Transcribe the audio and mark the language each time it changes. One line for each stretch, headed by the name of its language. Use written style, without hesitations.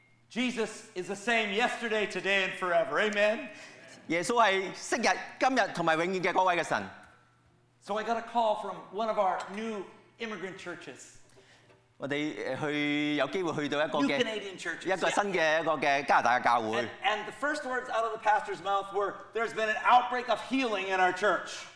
English: Jesus is the same yesterday, today, and forever. Amen.
Cantonese: 耶穌是昔日、今日同埋永遠嘅嗰位嘅神。
English: So I got a call from one of our new immigrant churches.
Cantonese: 我哋去有機會去到一個嘅
English: New Canadian churches.
Cantonese: 一個新嘅一個嘅加拿大嘅教會。
English: And the first words out of the pastor's mouth were, "There's been an outbreak of healing in our church."